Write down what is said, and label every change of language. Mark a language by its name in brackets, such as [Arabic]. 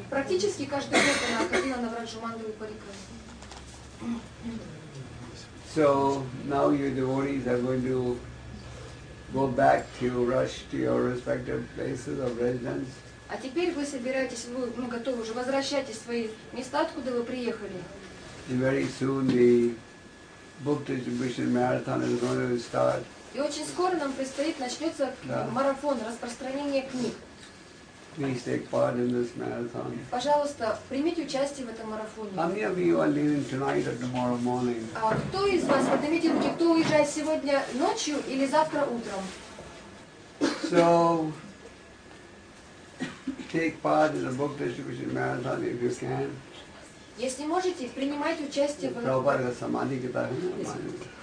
[Russian] Практически каждый год она ходила на Раджа-мандалу парикраму. [English] So now your devotees are going to go back to rush to your respective places of residence. [Russian] А теперь вы собираетесь, вы готовы уже возвращаетесь в свои места, откуда вы приехали. [English] And very soon the book distribution marathon is going to start. [Russian] И очень скоро нам предстоит начнется марафон распространения книг. [English] Please take part in this marathon. [Russian] Пожалуйста, примите участие в этом марафоне. [English] How many of you are leaving tonight or tomorrow morning? [Russian] А кто из вас, поднимите руки, кто уезжает сегодня ночью или завтра утром? [English] So take part in the book distribution marathon if you can. [Russian] Если можете, принимайте участие в марафоне распространения книг.